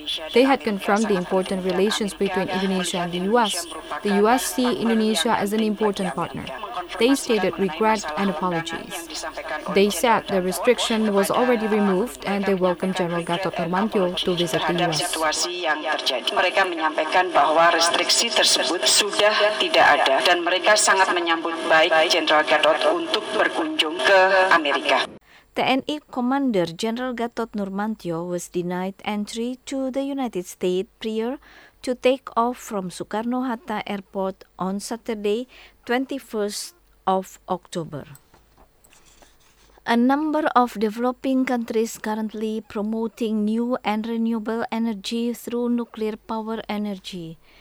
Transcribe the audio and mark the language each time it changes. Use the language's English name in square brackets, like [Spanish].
[English] They had confirmed the important relations between Indonesia and the U.S. The U.S. see Indonesia as an important partner. they stated regret and apologies. They said the restriction was already removed and they welcomed General Gatot Nurmantyo to visit the U.S. [Indonesian] Mereka menyampaikan bahwa restriksi tersebut sudah tidak ada dan mereka sangat menyambut baik General Gatot untuk berkunjung ke Amerika. [English] TNI Commander General Gatot Nurmantyo was denied entry to the United States prior to take off from Soekarno-Hatta Airport on Saturday, 21st of October. A number of developing countries currently promoting new and renewable energy through nuclear power energy.